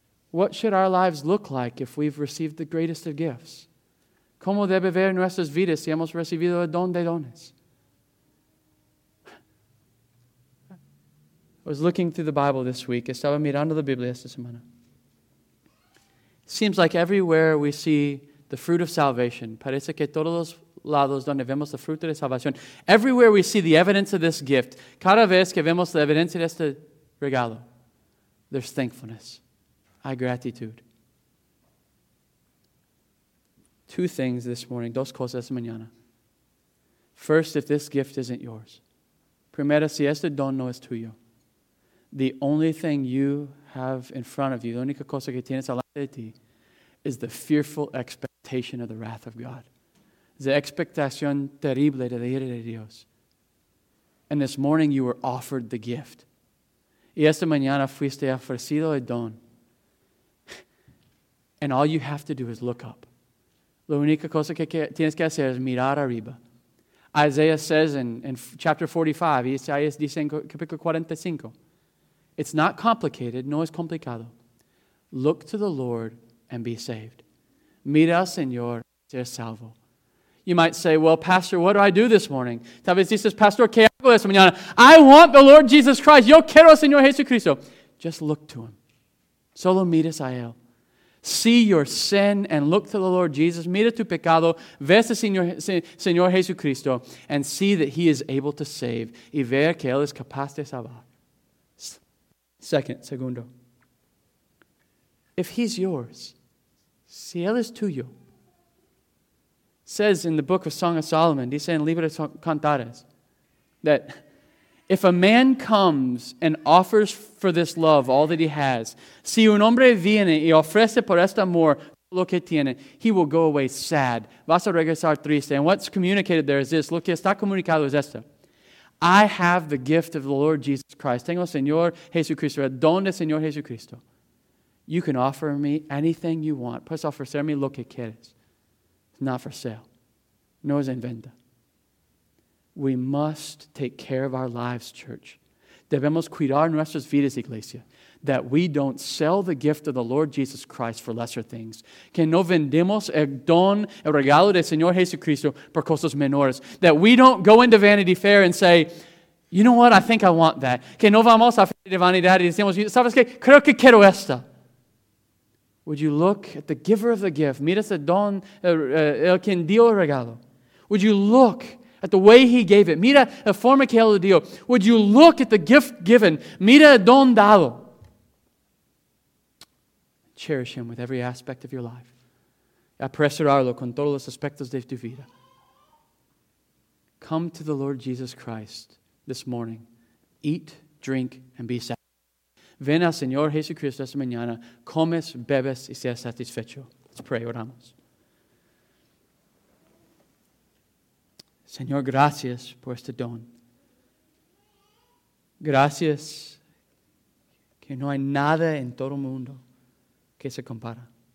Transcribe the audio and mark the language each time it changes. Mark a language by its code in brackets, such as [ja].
[en] What should our lives look like if we've received the greatest of gifts? [es] ¿Cómo debe ver nuestras vidas si hemos recibido el don de dones? [en] I was looking through the Bible this week. [es] Estaba mirando la Biblia esta semana. [en] Seems like everywhere we see the fruit of salvation, [es] parece que todos los lados donde vemos el fruto de salvación, [en] everywhere we see the evidence of this gift, [es] cada vez que vemos la evidencia de este regalo, [en] there's thankfulness. [es] Hay gratitud. [en] Two things this morning, [es] dos cosas esta mañana. [en] First, if this gift isn't yours. [es] Primero, si este don no es tuyo. [en] The only thing you have in front of you, [es] la única cosa que tienes delante de ti, [en] is the fearful expectation of the wrath of God. [es] La expectación terrible de la ira de Dios. [en] And this morning you were offered the gift. [es] Y esta mañana fuiste ofrecido el don. [en] And all you have to do is look up. [es] La única cosa que tienes que hacer es mirar arriba. [en] Isaiah says in chapter 45, [es] Isaías dice en capítulo 45, [en] it's not complicated, [es] no es complicado. [en] Look to the Lord and be saved. [es] mira al Señor, ser salvo. [en] You might say, well, pastor, what do I do this morning? [es] Tal vez dices, pastor, ¿qué hago esta mañana? [en] I want the Lord Jesus Christ. [es] Yo quiero al Señor Jesucristo. [en] Just look to Him. [es] Solo mires a Él. [en] See your sin and look to the Lord Jesus. [es] Mira tu pecado. Ves al Señor Jesucristo [en] and see that He is able to save. [es] Y ver que Él es capaz de salvar. Segundo. [en] If He's yours, [es] si Él es tuyo, [en] says in the book of Song of Solomon, [es] dice en Libro de Cantares, [en] that if a man comes and offers for this love all that he has, [es] si un hombre viene y ofrece por este amor lo que tiene, [en] he will go away sad. [es] Vas a regresar triste. [en] And what's communicated there is this. [es] Lo que está comunicado es esto. [en] I have the gift of the Lord Jesus Christ. [es] Tengo el Señor Jesucristo. El don del Señor Jesucristo. [en] You can offer me anything you want. [es] Puedes ofrecerme lo que quieres. [en] Not for sale. [es] No es en venta. [en] We must take care of our lives, church. [es] Debemos cuidar nuestras vidas, iglesia. [en] That we don't sell the gift of the Lord Jesus Christ for lesser things. [es] Que no vendemos el don, el regalo del Señor Jesucristo por cosas menores. [en] That we don't go into Vanity Fair and say, you know what, I think I want that. [es] Que no vamos a Feria de Vanidad y decimos, ¿sabes qué? Creo que quiero esta. [en] Would you look at the giver of the gift? [es] Mira ese don, el quien dio el regalo. [en] Would you look at the way He gave it? [es] Mira la forma que Él lo dio. [en] Would you look at the gift given? [es] Mira el don dado. [en] Cherish Him with every aspect of your life. [es] Apresurarlo con todos los aspectos de tu vida. [en] Come to the Lord Jesus Christ this morning. Eat, drink, and be satisfied. [es] Ven al Señor Jesucristo esta mañana, comes, bebes y seas satisfecho. [en] Let's pray, [es] oramos. Señor, gracias por este don. Gracias que no hay nada en todo el mundo que se compara.